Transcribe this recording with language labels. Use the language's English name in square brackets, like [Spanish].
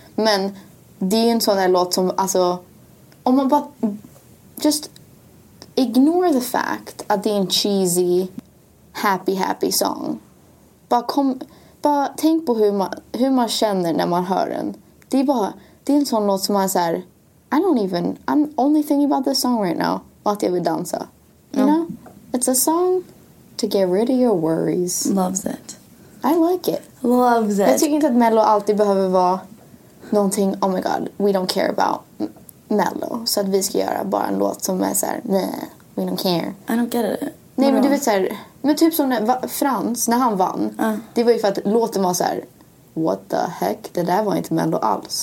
[Swedish] Men det är en sån här låt som alltså, om man bara [English] just ignore the fact [Swedish] att det är en [English] cheesy happy happy song. [Swedish] Bara tänk på hur man känner när man hör den. Det är bara, det är en sån låt som man säger, [English] I don't even, I'm only thinking about this song right now. [Swedish] Och att jag vill dansa. [English] You know? It's a song to get rid of your worries. Loves it. I like it. Loves it. [Swedish] Jag tycker inte att Mello alltid behöver vara någonting, [English] oh my god, we don't care about Mello. [Swedish] Så att vi ska göra bara en låt som är så här, nej, [English] we don't care. I don't get it. [Swedish] Nej, men du vet så här, men typ som när Frans, när han vann, det var ju för att låten var så här, [English] what the heck, [Swedish] det där var inte Mello alls.